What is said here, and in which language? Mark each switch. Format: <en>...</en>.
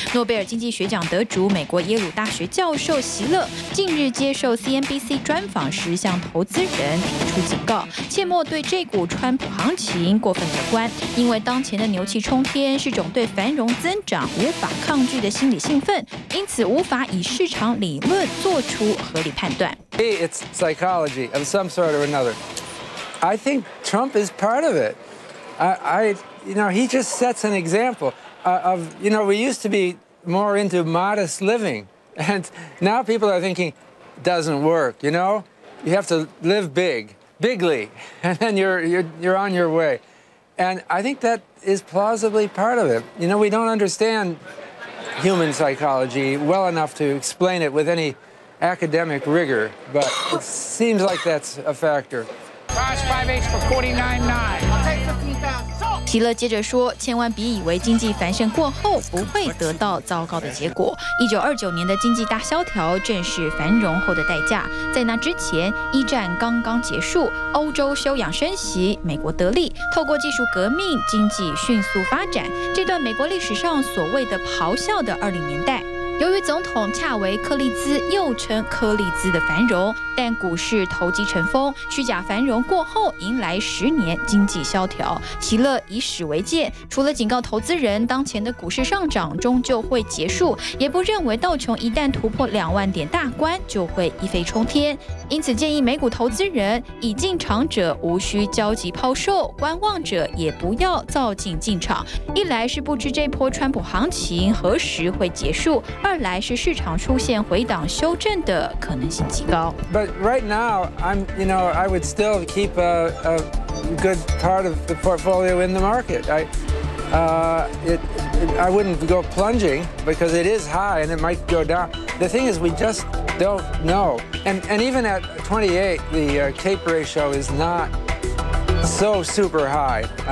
<zh>诺贝尔经济学奖得主、美国耶鲁大学教授席勒近日接受 CNBC 专访时，向投资人提出警告，切莫对这股川普行情过分乐观，因为当前的牛气冲天是种对繁荣增长无法抗拒的心理兴奋，因此无法以市场理论做出合理判断。</zh> <en>Hey, it's psychology of some sort or another. I think Trump is part of it. He just sets an example of, you know, we used to be more into modest living, and now people are thinking doesn't work, you know. You have to live bigly, and then you're on your way. And I think that is plausibly part of it. You know, we don't understand human psychology well enough to explain it with any academic rigor, but it seems like that's a factor. Cross 5/8 for 49.9. I'll take 15,000.</en> <zh>席希勒接着说，千万别以为经济繁盛过后不会得到糟糕的结果。 1929年的经济大萧条正是繁荣后的代价。在那之前，一战刚刚结束，欧洲休养生息，美国得利，透过技术革命，经济迅速发展。这段美国历史上所谓的咆哮的20年代。由于总统恰维·柯利兹又称柯利兹的繁荣，但股市投机成风，虚假繁荣过后迎来10年经济萧条。希勒以史为鉴，除了警告投资人当前的股市上涨终究会结束，也不认为道琼一旦突破20000点大关就会一飞冲天，因此建议美股投资人已进场者无需焦急抛售，观望者也不要躁进进场。一来是不知这波川普行情何时会结束，二来是市场出现回档修正的可能性极高。</zh> <en>But right now, I'm, you know, I would still keep a good part of the portfolio in the market. I wouldn't go plunging because it is high and it might go down. The thing is, we just don't know. And even at 28, the tape ratio is not so super high.</en>